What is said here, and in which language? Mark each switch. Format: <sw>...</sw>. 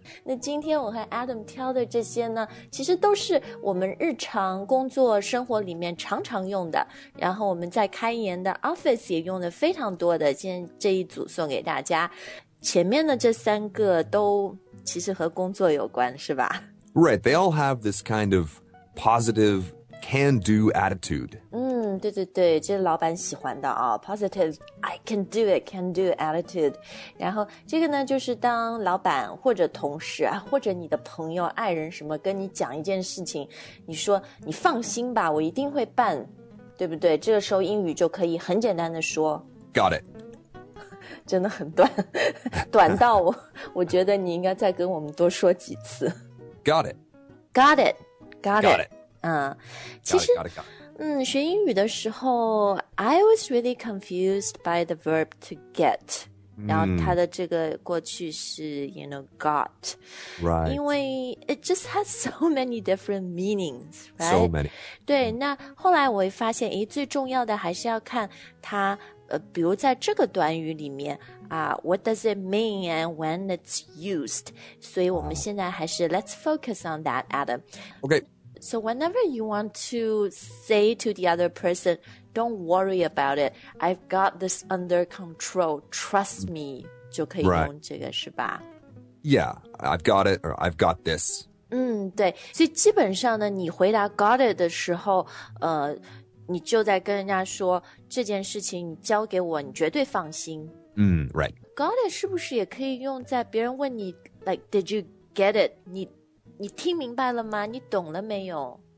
<zh>那今天我和 Adam 挑的这些呢，其实都是我们日常工作生活里面常常用的，然后我们在开言的 office 也用的非常多的。今天这一组送给大家。前面的这三个都其实和工作有关，是吧？</zh> <en>Right, they all have this kind of positive can-do attitude.</en> <zh>嗯，对对对，这是老板喜欢的啊、哦、</zh> <en>positive I can do it, can-do attitude.</en> <zh>然后这个呢，就是当老板或者同事啊，或者你的朋友、爱人什么跟你讲一件事情，你说你放心吧，我一定会办，对不对？这个时候英语就可以很简单的说</zh> <en>Got it.</en> <zh>真的很短，短到我觉得你应该再跟我们多说几次。</zh> <en>Got it. Got it. Got it. Got it.</en> <zh>其实学英语的时候</zh> <en>I was really confused by the verb to get.</en> <zh>然后它的这个过去是</zh> <en>you know, got. Right.</en> <zh>因为</zh> <en>it just has so many different meanings, right? So many.</en> <zh>对，那后来我会发现，诶，最重要的还是要看它比如在这个短语里面啊、</zh> <en>what does it mean and when it's used?</en> <zh>所以我们现在还是</zh> <en>let's focus on that,</en> <zh>Adam.</zh> <en>Okay. So whenever you want to say to the other person,Don't worry about it. I've got this under control. Trust me.</en> <zh>就可以用这个、</zh> <en>right.</en> <zh>是吧</zh> <en>Yeah, I've got it or I've got this.</en> <zh>对。所以基本上呢，你回答 got it 的时候，你就在跟人家说这件事情你交给我，你绝对放心。</zh> <en>Right.</en> <zh>Got it 是不是也可以用在别人问你</zh> <en>like, did you get it?</en> <zh>你听明白了吗？你懂了没有？</zh>